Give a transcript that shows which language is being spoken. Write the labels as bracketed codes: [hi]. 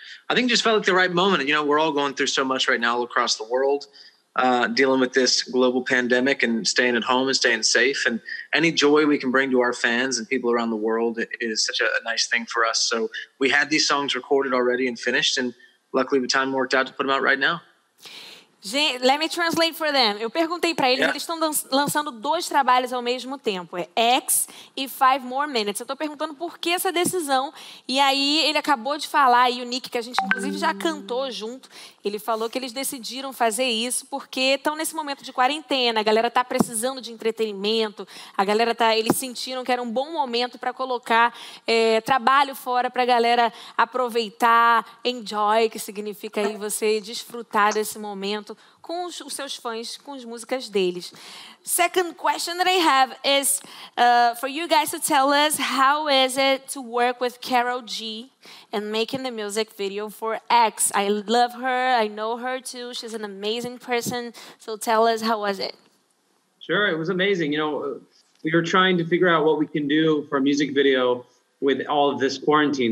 [en] I think it just felt like the right moment. You know, we're all going through so much right now across the world, dealing with this global pandemic and staying at home and staying safe. And any joy we can bring to our fans and people around the world is such a nice thing for us. So we had these songs recorded already and finished, and luckily the time worked out to put them out right now. Gente, let me translate for them. [pt] Eu perguntei para eles, eles estão lançando dois trabalhos ao mesmo tempo. É X e 5 More Minutes. Eu estou perguntando por que essa decisão. E aí ele acabou de falar, e o Nick, que a gente inclusive já cantou junto, ele falou que eles decidiram fazer isso porque estão nesse momento de quarentena, a galera está precisando de entretenimento, a galera tá, eles sentiram que era um bom momento para colocar trabalho fora para a galera aproveitar, enjoy, que significa aí você desfrutar desse momento com os seus fãs, com as músicas deles. [en] Second question that I have is for you guys to tell us, how is it to work with Karol G and making the music video for X? I love her. I know her too. She's an amazing person. So tell us, how was it? Sure, it was amazing. You know, we were trying to figure out what we can do for a music video with all of this quarantine.